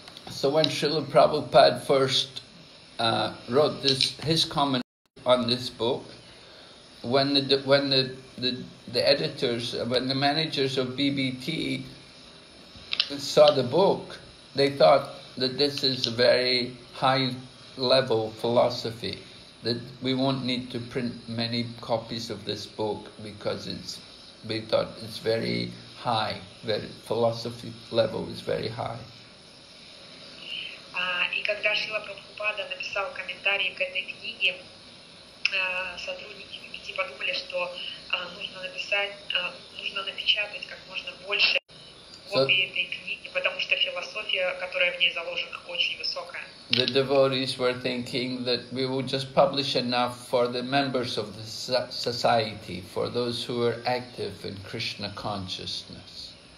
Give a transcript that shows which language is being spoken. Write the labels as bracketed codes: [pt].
[en] So when Srila Prabhupada first wrote this, his comment on this book, when the managers of BBT saw the book, they thought that this is a very high level philosophy, that we won't need to print many copies of this book because they thought it's very high, that philosophy level is very high. [ru] И когда Шрила Прабхупада написал комментарии к этой книге, сотрудники BBT подумали, что нужно напечатать как можно больше копий этой книги, потому что философия, которая в ней заложена, очень высокая. [en] The devotees were thinking that we will just publish enough for the members of the society, for those who are active in Krishna consciousness.